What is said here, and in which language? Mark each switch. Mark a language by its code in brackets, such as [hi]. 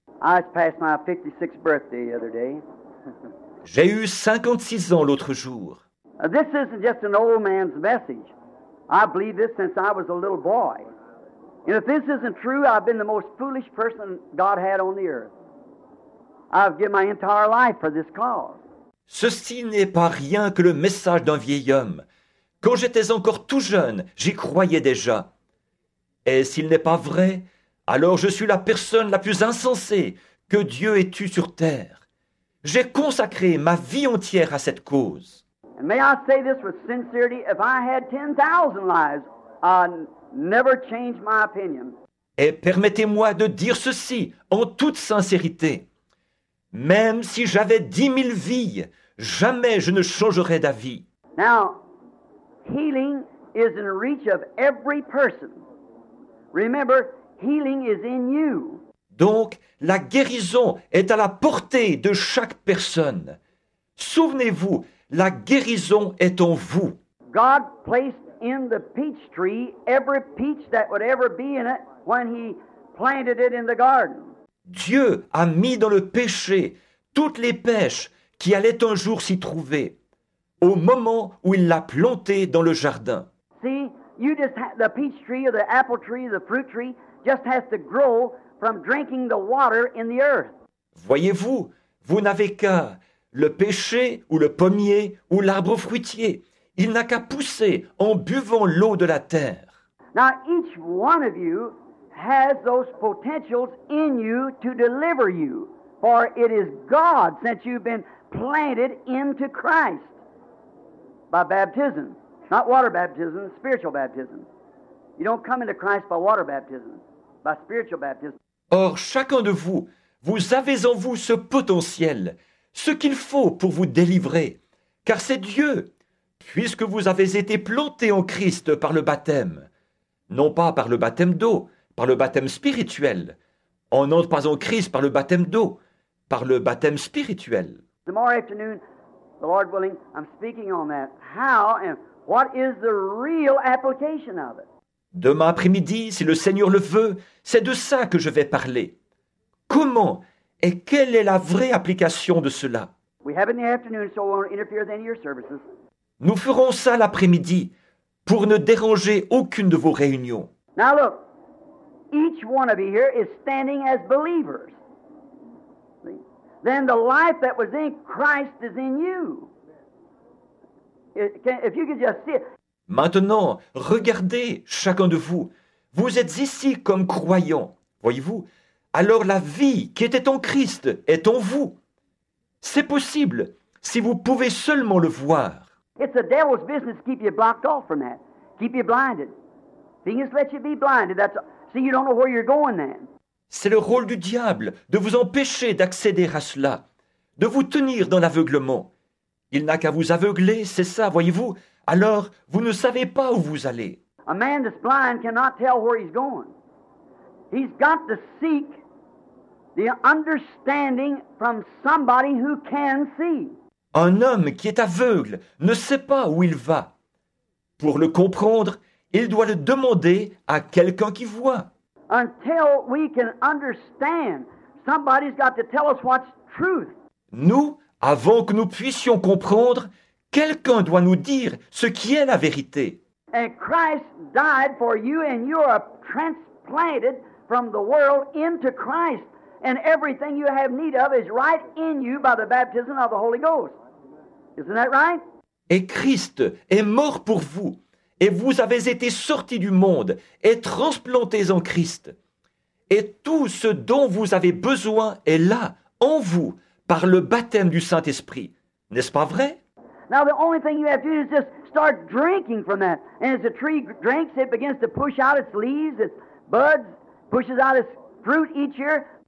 [en] I just passed my 56th birthday the other day. [fr] J'ai eu 56 ans l'autre jour. [en] This isn't just an old man's message. I believe this since I was a little boy. And if this isn't true, I've been the most foolish person God had on the earth. I've given my entire life for this cause. [fr] Ceci n'est pas rien que le message d'un vieil homme. Quand j'étais encore tout jeune, j'y croyais déjà. Et s'il n'est pas vrai, alors je suis la personne la plus insensée que Dieu ait eue sur terre. J'ai consacré ma vie entière à cette cause. [en] And may I say this with sincerity, if I had 10,000 lives, never change my opinion. [fr] Et permettez-moi de dire ceci en toute sincérité. Même si j'avais 10 000 vies, jamais je ne changerais d'avis. [en] Now, healing is in reach of every person. Remember, healing is in you. [fr] Donc, la guérison est à la portée de chaque personne. Souvenez-vous, la guérison est en vous. [en] God placed in the peach tree every peach that would ever be in it when he planted it in the garden. [fr] Dieu a mis dans le péché toutes les pêches qui allaient un jour s'y trouver au moment où il l'a planté dans le jardin. [en] See, you just have the peach tree or the apple tree, the fruit tree just has to grow from drinking the water in the earth. [fr] Voyez-vous, vous n'avez qu'à le péché ou le pommier ou l'arbre fruitier, il n'a qu'à pousser en buvant l'eau de la terre. [en] Now each one of you has those potentials in you to deliver you, for it is God since you've been planted into Christ by baptism, not water baptism, spiritual baptism. You don't come into Christ by water baptism, by spiritual baptism. [fr] Or, chacun de vous, vous avez en vous ce potentiel, ce qu'il faut pour vous délivrer, car c'est Dieu, puisque vous avez été planté en Christ par le baptême, non pas par le baptême d'eau, par le baptême spirituel. On n'entre pas en Christ par le baptême d'eau, par le baptême spirituel. [en] Tomorrow afternoon, the Lord willing, I'm speaking on that. How and what is the real application of it? [fr] Demain après-midi, si le Seigneur le veut, c'est de ça que je vais parler. Comment et quelle est la vraie application de cela? [en] We have it in the afternoon, so we won't interfere with any of your services. [fr] Nous ferons ça l'après-midi pour ne déranger aucune de vos réunions. [en] Now look. Each one of you here is standing as believers. See? Then the life that was in Christ is in you. If you could just see it. [fr] Maintenant, regardez chacun de vous. Vous êtes ici comme croyants, voyez-vous? Alors la vie qui était en Christ est en vous. C'est possible si vous pouvez seulement le voir. [en] It's the devil's business to keep you blocked off from that. Keep you blinded. He just let you be blinded. That's all. See, you don't know where you're going then. [fr] C'est le rôle du diable de vous empêcher d'accéder à cela, de vous tenir dans l'aveuglement. Il n'a qu'à vous aveugler, c'est ça, voyez-vous? Alors, vous ne savez pas où vous allez. [en] A man that's blind cannot tell where he's going. He's got to seek the understanding from somebody who can see. [fr] Un homme qui est aveugle ne sait pas où il va. Pour le comprendre, il doit le demander à quelqu'un qui voit. [en] Until we can understand, somebody's got to tell us what's truth. [fr] Nous, avant que nous puissions comprendre, quelqu'un doit nous dire ce qui est la vérité. [en] And Christ died for you and you are transplanted from the world into Christ. And everything you have need of is right in you by the baptism of the Holy Ghost. Isn't that right? [fr] Et Christ est mort pour vous. Et vous avez été sortis du monde et transplantés en Christ. Et tout ce dont vous avez besoin est là, en vous, par le baptême du Saint-Esprit. N'est-ce pas vrai? [en] Now the only thing you have to do is just start drinking from that. And as the tree drinks, it begins to push out its leaves, its buds, pushes out its fruit each year.